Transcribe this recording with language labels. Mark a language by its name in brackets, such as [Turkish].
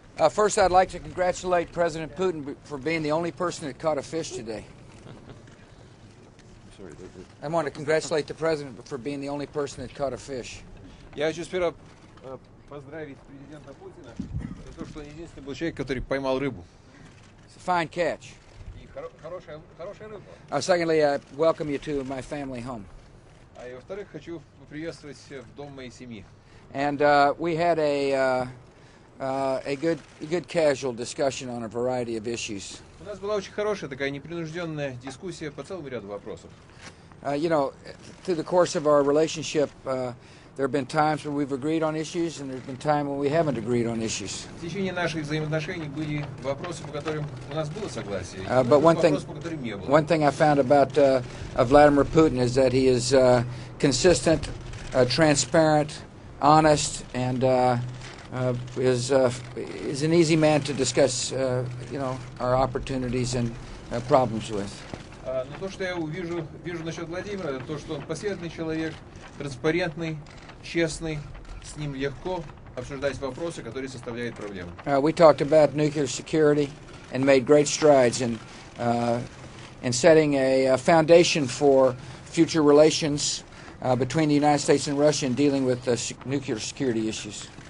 [English] First, I'd like to congratulate President Putin for being the only person that caught a fish today. I want to congratulate the president for being the only person that caught a fish. [Russian] Я хочу сперва поздравить президента Путина за то, что он единственный был человек, который поймал рыбу. [English] It's a fine catch. [Russian] И хорошая рыба. [English] Secondly, I welcome you to my family home. [Russian] А и во-вторых, хочу приветствовать в дом моей семьи. [English] And we had a good casual discussion on a variety of issues. [Russian] У нас была очень хорошая такая непринужденная дискуссия по целому ряду вопросов. [English] You know, through the course of our relationship, there have been times when we've agreed on issues, and there's been times when we haven't agreed on issues. [Russian] В течение наших взаимоотношений были вопросы, по которым у нас было согласие. [English] But one thing I found about Vladimir Putin is that he is consistent, transparent, honest, and is an easy man to discuss, you know, our opportunities and problems with. [Russian] Но то, что я вижу насчет Владимира, это то, что он последний человек, транспарентный, честный, с ним легко обсуждать вопросы, которые составляют проблемы. [English] We talked about nuclear security and made great strides in setting a foundation for future relations between the United States and Russia in dealing with nuclear security issues.